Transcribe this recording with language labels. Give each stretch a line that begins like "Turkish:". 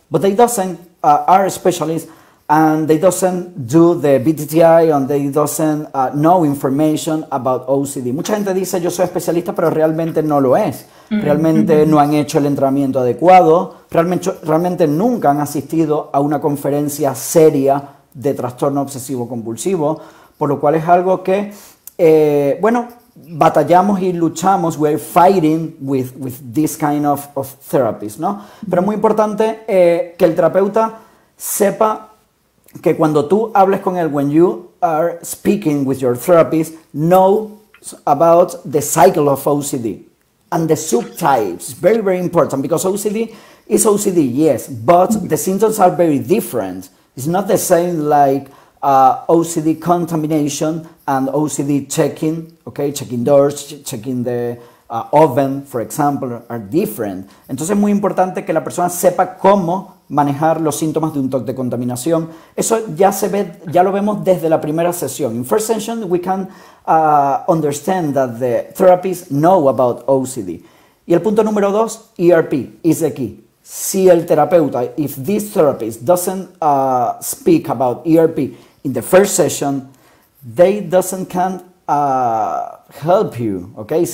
English: but they doesn't are specialists, and they doesn't do the BTTI, and they doesn't know information about OCD.
Spanish: Mucha gente dice yo soy especialista, pero realmente no lo es. Realmente no han hecho el entrenamiento adecuado. Realmente nunca han asistido a una conferencia seria de trastorno obsesivo compulsivo, por lo cual es algo que, bueno, batallamos y luchamos,
English: we're fighting with this kind of therapies,
Spanish: ¿no? Pero es muy importante que el terapeuta sepa que cuando tú hables con él,
English: when you are speaking with your therapist, know about the cycle of OCD and the subtypes. It's very, very important because OCD is OCD, yes, but the symptoms are very different. It's not the same like OCD contamination and OCD checking, okay? Checking doors, checking the oven, for example, are different.
Spanish: Entonces es muy importante que la persona sepa cómo manejar los síntomas de un TOC de contaminación. Eso ya se ve, ya lo vemos desde la primera sesión.
English: In first session, we can understand that the therapist know about OCD.
Spanish: Y el punto número dos,
English: ERP, is the key.
Spanish: Si el terapeuta,
English: if this therapist doesn't speak about ERP in the first session, they doesn't can help you, okay?